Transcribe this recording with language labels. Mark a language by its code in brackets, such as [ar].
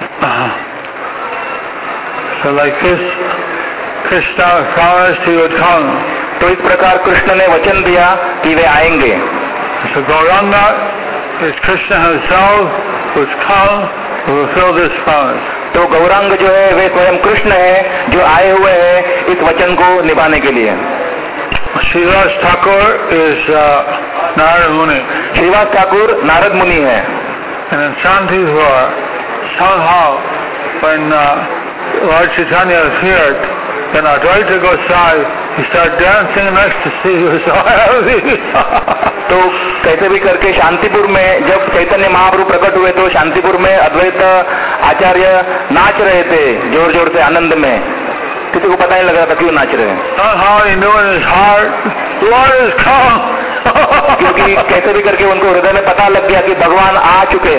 [en] हरे। So like this, Krishna promised he would come. [hi] तो इस प्रकार कृष्ण ने वचन दिया कि वे आएंगे। [en] So Gauranga is Krishna himself who's come to fulfill this promise. [hi] तो गौरांग जो है वे स्वयं कृष्ण है जो आए हुए हैं इस वचन को निभाने के लिए। [en] Shrivas Thakur is Narad Muni. [hi] श्रीवास ठाकुर नारद मुनि है। [en] And शांति हुआ somehow when Lord Chaitanya appeared in Advaita Gosai, he started dancing in ecstasy. He was so happy. [hi] तो कैसे भी करके शांतिपुर में जब चैतन्य महाप्रभु प्रकट हुए तो शांतिपुर में अद्वैत आचार्य नाच रहे थे जोर जोर से आनंद में। किसी को पता नहीं लग रहा था क्यों नाच रहे हैं। क्योंकि कैसे भी करके उनको हृदय में पता लग गया कि भगवान आ चुके